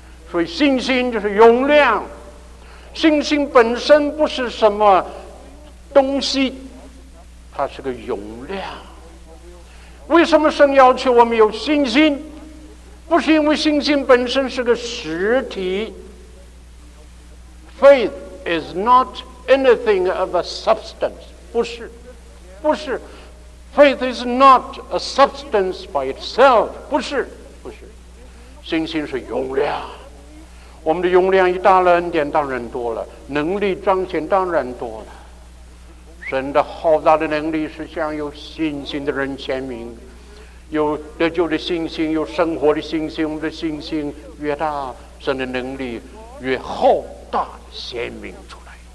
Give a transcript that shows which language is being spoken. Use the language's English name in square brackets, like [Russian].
[Chinese] 所以信心就是容量。信心本身不是什么东西，它是个容量。为什么神要求我们有信心？不是因为信心本身是个实体。 [English] Faith is not anything of a substance. [Chinese] 不是，不是。 [English] Faith is not a substance by itself. [Chinese] 不是，不是。信心是容量。我们的容量一大了，恩典当然多了，能力彰显当然多了。神的浩大的能力是向有信心的人显明。有得救的信心，有生活的信心，我们的信心越大，神的能力越浩大显明出来。